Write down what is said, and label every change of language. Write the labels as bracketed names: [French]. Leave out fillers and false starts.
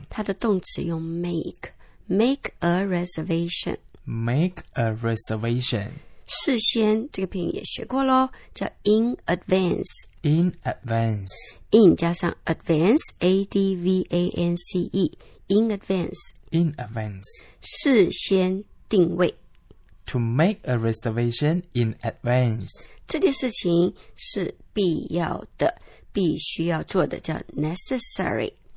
[Chinese] 它的动词用 [English] make， make a reservation。 Make a reservation。 [Chinese] 事先，这个片语也学过咯，叫 [English] in advance。 In advance。 In [Chinese] 加上 [English] advance， A-D-V-A-N-C-E， in advance。 In advance， [Chinese] 事先定位。 [English] To make a reservation in advance， [Chinese] 这件事情是必要的，必须要做的，叫 necessary。